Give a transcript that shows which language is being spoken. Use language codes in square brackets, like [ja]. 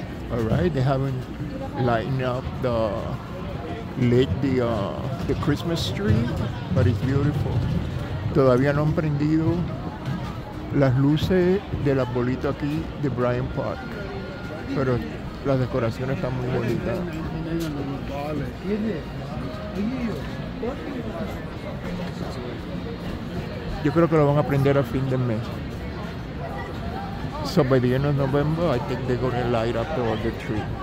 [en] All right, they haven't lightened up the lit the Christmas tree, but it's beautiful. [es] Todavía no han prendido las luces de las bolitas aquí de Bryant Park, pero las decoraciones están muy bonitas. Yo creo que lo van a prender a fin de mes. [en] So by the end of November, I think they're going to light up all the tree.